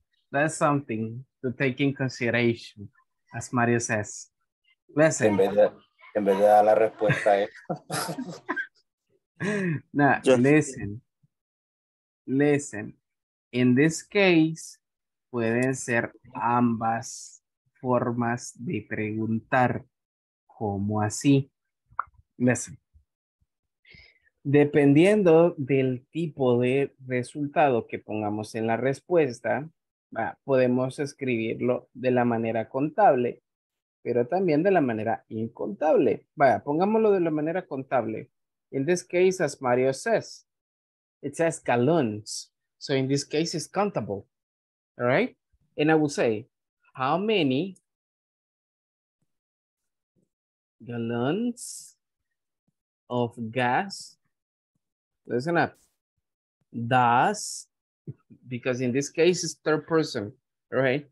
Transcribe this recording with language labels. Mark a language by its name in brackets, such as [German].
[English] That's something to take in consideration, as Mario says. Listen. [Spanish] En vez de dar la respuesta a esto. [English] Now, listen, in this case, [Spanish] pueden ser ambas formas de preguntar, ¿cómo así? [English] Listen, [Spanish] dependiendo del tipo de resultado que pongamos en la respuesta, ¿Verdad? Podemos escribirlo de la manera contable, pero también de la manera incontable. Vaya, pongámoslo de la manera contable. [English] In this case, as Mario says, it says gallons. So in this case, it's countable. All right? And I will say, how many gallons of gas, listen up, does, because in this case, it's third person, right?